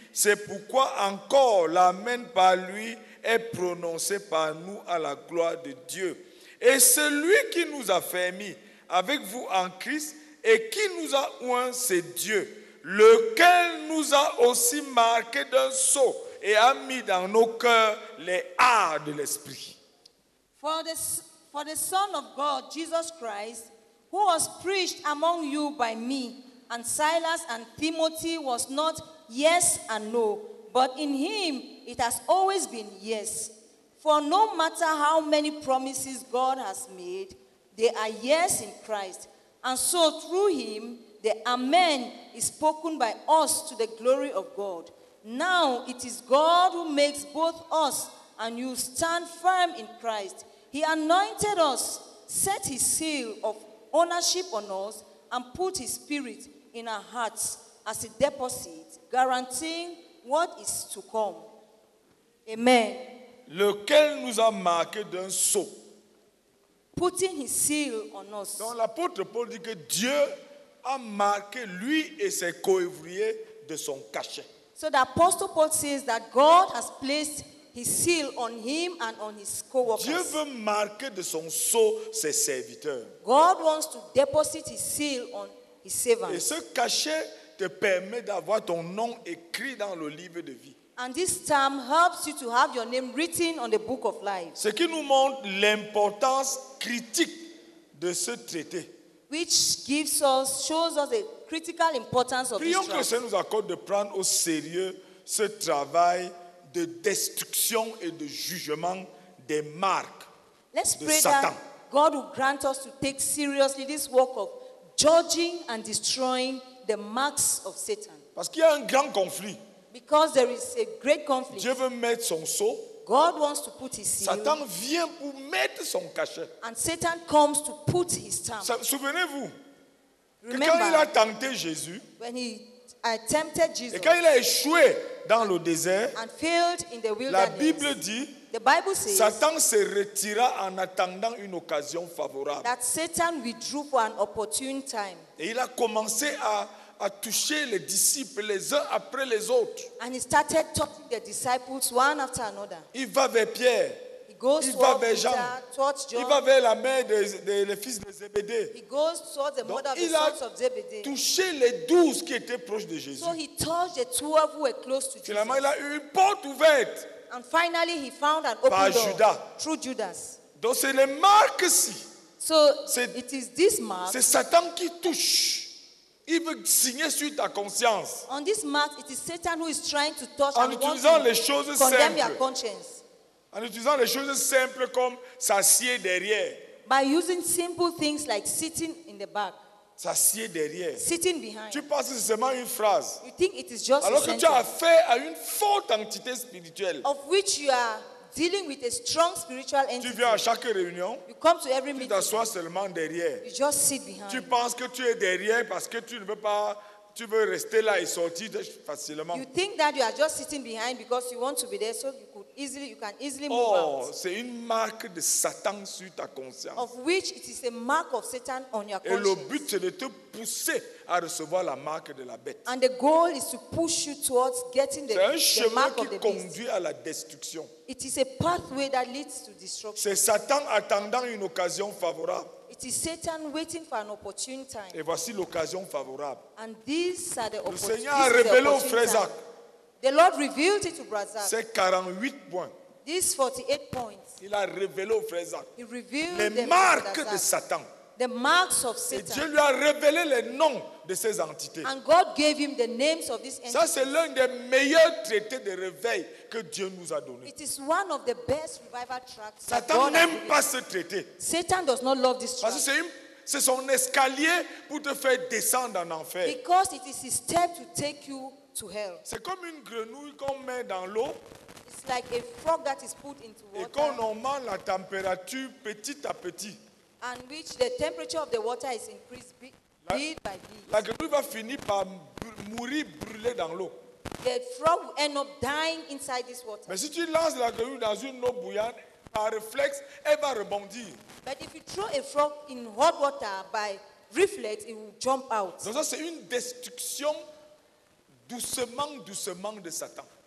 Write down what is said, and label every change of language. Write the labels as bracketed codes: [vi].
[fr] C'est pourquoi encore l'amen par lui est prononcé par nous à la gloire de Dieu. Et celui qui nous a fermis avec vous en Christ et qui nous a oint, c'est Dieu, lequel nous a aussi marqué d'un sceau et a mis dans nos cœurs les arts de l'esprit. [en] For the Son of God, Jesus Christ, who was preached among you by me and Silas and Timothy, was not yes and no, but in him it has always been yes. For no matter how many promises God has made, they are yes in Christ. And so through him, the amen is spoken by us to the glory of God. Now it is God who makes both us and you stand firm in Christ. He anointed us, set his seal of ownership on us, and put his spirit in our hearts as a deposit, guaranteeing what is to come. Amen. [fr] Lequel nous a marqué d'un sceau. [en] Putting his seal on us. [fr] Donc l'apôtre Paul dit que Dieu a marqué lui et ses coévriers de son cachet. [en] So the apostle Paul says that God has placed his seal on him and on his co-workers. [fr] Dieu veut marquer de son sceau ses serviteurs. [en] God wants to deposit his seal on his servants. [fr] Et ce cachet te permet d'avoir ton nom écrit dans le livre de vie. [en] And this term helps you to have your name written on the book of life. [fr] Ce qui nous montre l'importance critique de ce traité. [en] Which shows us the critical importance of this [fr] Prions que Dieu nous accorde de prendre au sérieux ce travail de destruction et de jugement des marques de Satan. [en] Let's pray that God will grant us to take seriously this work of judging and destroying the marks of Satan. [fr] Parce qu'il y a un grand conflit. [en] Because there is a great conflict. [fr] Dieu veut mettre son sceau. [en] God wants to put his seal. [fr] Satan vient pour mettre son cachet. [en] And Satan comes to put his stamp. [fr] Souvenez-vous. [en] Remember, [fr] quand il a tenté Jésus. [en] When he attempted Jesus. [fr] Et quand il a échoué dans le désert. [en] And failed in the wilderness. [fr] La Bible dit. [en] The Bible says. [fr] Satan se retira en attendant une occasion favorable. [en] That Satan withdrew for an opportune time. [fr] Et il a commencé à toucher les disciples les uns après les autres. [en] And he started touching the disciples one after another. [fr] Il va vers Pierre. [en] He goes [fr] il va vers Jean. [en] John. [fr] Il va vers la mère des fils de Zébédée. [en] He goes towards the mother [fr] Donc, [en] of the sons of Zébédée. [fr] Il a touché les 12 qui étaient proches de Jésus. [en] So he touched the 12 who were close to Jesus. [fr] Finalement, il a eu une porte ouverte. [en] And finally, he found an open [fr] par [en] door [fr] Judas. [en] Through Judas. [fr] Donc c'est les marques-ci. [en] So it is this mark. [fr] C'est Satan qui touche. Il veut signer sur ta conscience. [en] On this mark, it is Satan who is trying to touch [fr] en utilisant les choses [en] condemn [fr] simples. [en] Your conscience. [fr] En utilisant les choses simples comme s'assied derrière. [en] By using simple things like sitting in the back. [fr] S'assied derrière. [en] Sitting behind. [fr] Tu passes seulement une phrase. [en] You think it is just [fr] alors [en] a [fr] que Tu as affaire à une forte entité spirituelle. [en] Of which you are dealing with a strong spiritual entity. [fr] Tu viens à chaque réunion. [en] You come to every [fr] tu t'assois [en] meeting. [fr] Seulement derrière. [en] You just sit behind. [fr] Tu penses que tu es derrière parce que tu ne veux pas tu veux rester là et sortir facilement. [en] You think that you are just sitting behind because you want to be there so you could easily, you can easily move oh, out. [fr] Oh, c'est une marque de Satan sur ta conscience. [en] Of which it is a mark of Satan on your conscience. [fr] Et le but c'est de te pousser à recevoir la marque de la bête. [en] And the goal is to push you towards getting the mark of the beast. [fr] C'est un chemin qui conduit à la destruction. [en] It is a pathway that leads to destruction. [fr] C'est Satan attendant une occasion favorable. [en] It is Satan waiting for an opportune time. [fr] Et voici l'occasion favorable. [en] And these are the [fr] le Seigneur a révélé au frère Zach. [en] The Lord revealed it to brother Zach. [fr] Ces 48 points. [en] These 48 points. [fr] Il a révélé au frère Zach. [en] He revealed [fr] les marques de Satan. [en] The marks of Satan. [fr] Et Dieu lui a révélé les noms de ces entités. [en] And God gave him the names of these entities. [fr] Ça c'est l'un des meilleurs traités de réveil que Dieu nous a donné. [en] It is one of the best revival tracts. [fr] Satan n'aime pas ce traité. [en] Satan does not love this tract. [fr] Parce que c'est son escalier pour te faire descendre en enfer. [en] Because it is his step to take you to hell. [fr] C'est comme une grenouille qu'on met dans l'eau. [en] It's like a frog that is put into water. [fr] Et qu'on augmente la température petit à petit. [en] And which the temperature of the water is increased bit by bit. [fr] La grenouille va finir par mourir brûlée dans l'eau. [en] The frog will end up dying inside this water. [fr] Mais si tu lances la grenouille dans une eau bouillante, par réflexe, elle va rebondir. [en] But if you throw a frog in hot water by reflex, it will jump out. [fr] Donc ça c'est une destruction doucement, doucement de Satan.